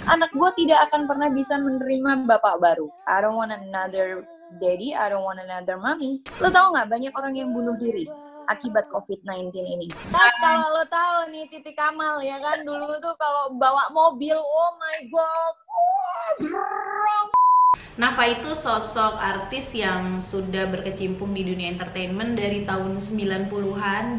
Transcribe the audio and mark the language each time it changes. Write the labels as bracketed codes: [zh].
[id] Anak gue tidak akan pernah bisa menerima bapak baru. [en] I don't want another daddy, I don't want another mommy. [id] Lo tau gak banyak orang yang bunuh diri akibat COVID-19 ini? Pas kalau lo tau nih Titik Kamal ya kan, dulu tuh kalau bawa mobil, [en] oh my god, [id] Nafa itu sosok artis yang sudah berkecimpung di dunia entertainment dari tahun 90-an.